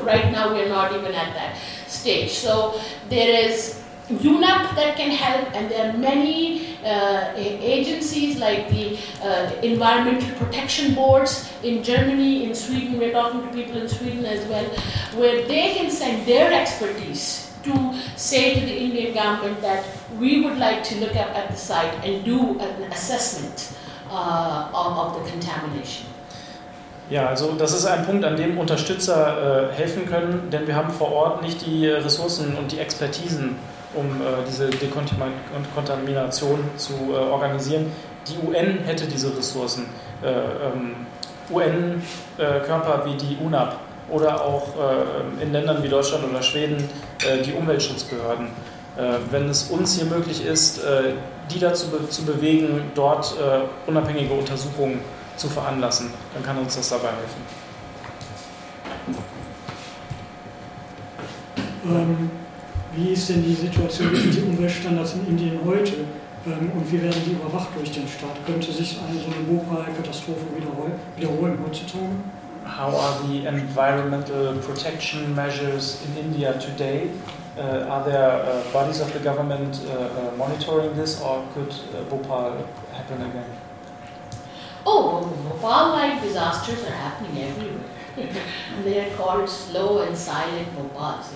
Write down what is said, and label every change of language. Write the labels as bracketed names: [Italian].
[English] Right now we are not even at that stage. So there is UNEP that can help, and there are many agencies like the Environmental Protection Boards in Germany, in Sweden, we're talking to people in Sweden as well, where they can send their expertise to say to the Indian government that we would like to look at the site and do an assessment of the contamination. [German] Ja, also das ist ein Punkt, an dem Unterstützer helfen können, denn wir haben vor Ort nicht die Ressourcen und die Expertisen, um diese Dekontamination zu organisieren. Die UN hätte diese Ressourcen. UN-Körper wie die UNAP oder auch in Ländern wie Deutschland oder Schweden die Umweltschutzbehörden. wenn es uns hier möglich ist, die dazu zu bewegen, dort unabhängige Untersuchungen zu veranlassen, dann kann uns das dabei helfen. Wie ist denn die Situation mit den Umweltstandards in Indien heute und wie werden die überwacht durch den Staat? Könnte sich eine so eine Bhopal-Katastrophe wiederholen heutzutage? [English] How are the environmental protection measures in India today? Are there bodies of the government monitoring this, or could Bhopal happen again? Oh, Bhopal-like disasters are happening everywhere. They are called slow and silent Bhopals.